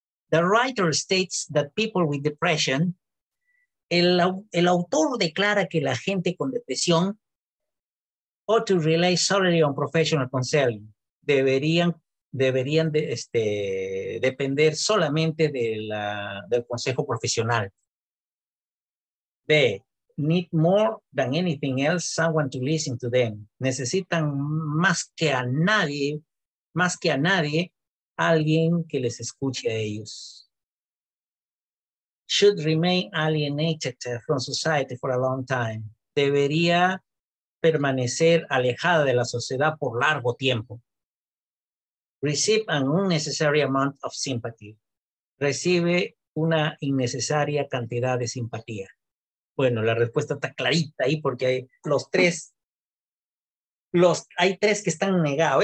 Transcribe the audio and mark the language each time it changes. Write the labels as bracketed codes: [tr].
[en] The writer states that people with depression, [es] el autor declara que la gente con depresión [en] ought to rely solely on professional counseling, [es] deberían depender solamente del consejo profesional. [en] B, need more than anything else someone to listen to them. [es] Necesitan más que a nadie, alguien que les escuche a ellos. [en] Should remain alienated from society for a long time. [es] Debería permanecer alejada de la sociedad por largo tiempo. [en] Receive an unnecessary amount of sympathy. [es] Recibe una innecesaria cantidad de simpatía. Bueno, la respuesta está clarita ahí porque hay tres que están negados.